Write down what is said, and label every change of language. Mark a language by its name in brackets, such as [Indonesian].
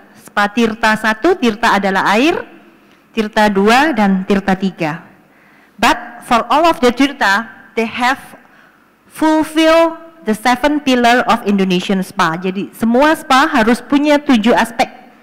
[Indonesian] Spa tirta 1, tirta adalah air. Tirta 2, dan tirta 3. [English] But for all of the tirta, they have fulfill the seven pillar of Indonesian spa. [Indonesian] Jadi semua spa harus punya tujuh aspek.